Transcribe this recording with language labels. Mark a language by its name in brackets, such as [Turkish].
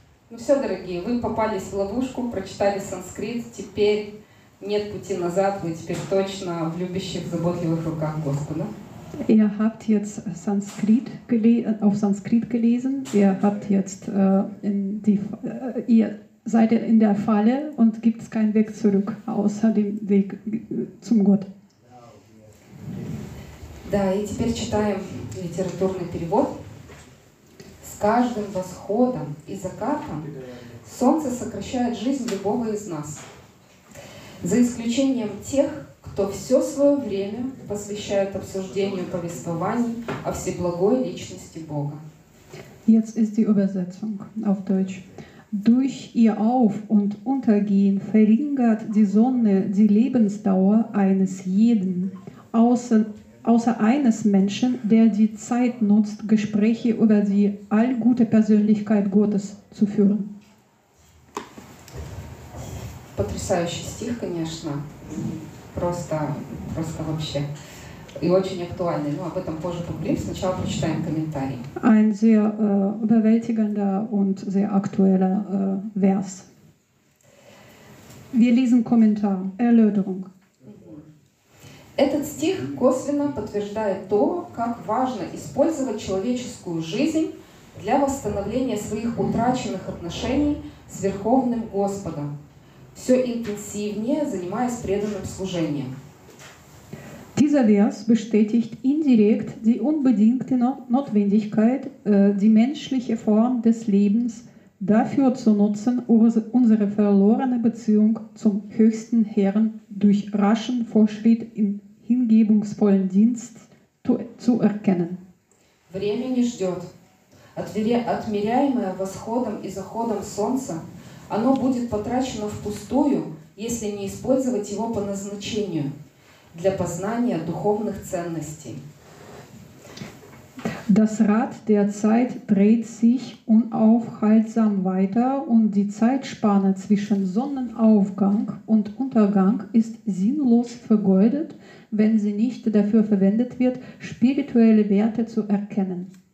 [Russian] Ну все, дорогие, вы попались в ловушку, прочитали санскрит, теперь нет пути назад, вы теперь точно в любящих, заботливых руках Господа. [German] Ihr habt jetzt Sanskrit auf Sanskrit gelesen. Ihr habt jetzt ihr seid in der Falle und gibt es keinen Weg zurück außer dem Weg zum Gott. [Russian] Да, и теперь читаем литературный перевод. С каждым восходом и закатом солнце сокращает жизнь любого из нас, за исключением тех, кто все свое время посвящает обсуждению повествований о всеблагой личности Бога. [German] Jetzt ist die Übersetzung auf Deutsch. Durch ihr Auf- und Untergehen verringert die Sonne die Lebensdauer eines jeden, außer eines Menschen, der die Zeit nutzt, Gespräche über die allgute Persönlichkeit Gottes zu führen. [Russian] Потрясающий стих, конечно. Просто, просто вообще. И очень актуальный. Но об этом позже поговорим. Сначала прочитаем комментарий. [German] Ein sehr überwältigender und sehr aktueller Vers. Wir lesen Kommentar, Erläuterung. [Russian] Этот стих косвенно подтверждает то, как важно использовать человеческую жизнь для восстановления своих утраченных отношений с Верховным Господом. Все интенсивнее занимаясь преданным служением. [German] Dieser Vers bestätigt indirekt die unbedingte Notwendigkeit, die menschliche Form des Lebens dafür zu nutzen, unsere verlorene Beziehung zum höchsten Herrn durch raschen Fortschritt im hingebungsvollen Dienst zu erkennen. [Russian] Время не ждет. Отмеряемое восходом и заходом солнца, оно будет потрачено впустую, если не использовать его по назначению для познания духовных ценностей. [German] Das Rad der Zeit dreht sich unaufhaltsam weiter und die Zeitspanne zwischen Sonnenaufgang und Untergang ist sinnlos vergeudet, wenn sie nicht dafür verwendet wird, spirituelle Werte zu erkennen.